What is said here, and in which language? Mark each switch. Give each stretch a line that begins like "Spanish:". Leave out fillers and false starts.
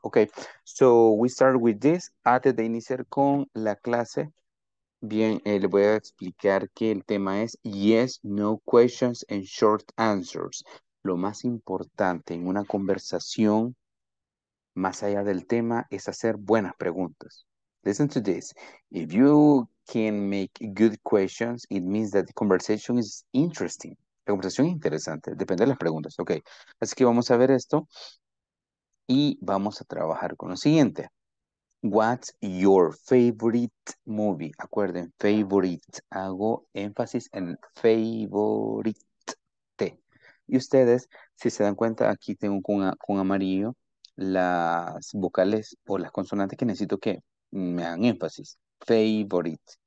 English: Ok, so we start with this.
Spanish: Antes de iniciar con la clase, bien, les voy a explicar que el tema es yes, no questions and short answers. Lo más importante en una conversación, más allá del tema, es hacer buenas preguntas.
English: Listen to this. If you can make good questions, it means that the conversation is interesting.
Spanish: La conversación es interesante, depende de las preguntas. Ok, así que vamos a ver esto y vamos a trabajar con lo siguiente.
English: What's your favorite movie?
Spanish: Acuerden,
English: favorite.
Spanish: Hago énfasis en favorite. Y ustedes, si se dan cuenta, aquí tengo con amarillo las vocales o las consonantes que necesito que me dan énfasis. Favorite.